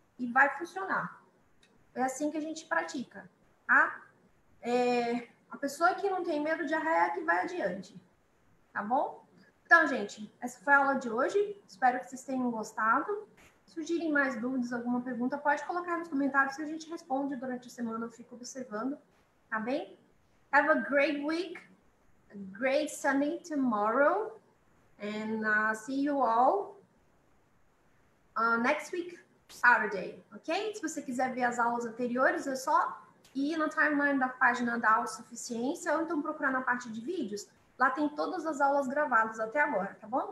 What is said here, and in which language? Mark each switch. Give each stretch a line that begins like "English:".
Portuguese: E vai funcionar. É assim que a gente pratica, tá? A pessoa que não tem medo de arraia é que vai adiante, tá bom? Então, gente, essa foi a aula de hoje. Espero que vocês tenham gostado. Se surgirem mais dúvidas, alguma pergunta, pode colocar nos comentários que a gente responde durante a semana. Eu fico observando, tá bem?
English: Have a great week, a great Sunday tomorrow, and see you all next week, Saturday, ok?
Portuguese: Se você quiser ver as aulas anteriores, é só ir na timeline da página da Autossuficiência ou então procurar na parte de vídeos. Lá tem todas as aulas gravadas até agora, tá bom?